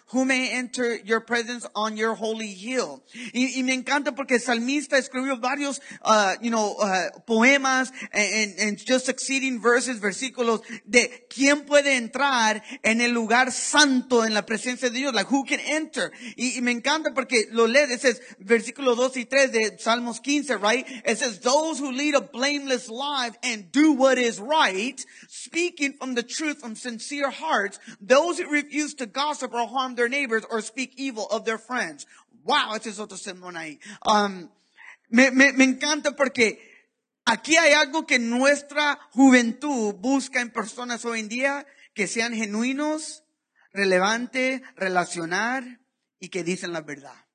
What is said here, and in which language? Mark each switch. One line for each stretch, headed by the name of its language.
English: Who may enter your presence on your holy hill?
Spanish: Y me encanta porque el salmista escribió varios, poemas
English: and just succeeding verses,
Spanish: versículos de quién puede entrar en el lugar santo en la presencia de Dios.
English: Like, who can enter?
Spanish: Y me encanta porque lo lees, ese es versículo 2 y 3 de Salmos 15,
English: right? It says, those who lead a blameless life and do what is right, speaking from the truth from sincere hearts, those who refuse to gossip or harm their neighbors or speak evil of their friends. Wow,
Spanish: ese es otro sermón ahí. Me encanta porque aquí hay algo que nuestra juventud busca en personas hoy en día, que sean genuinos, relevantes, relacionar y que dicen la verdad.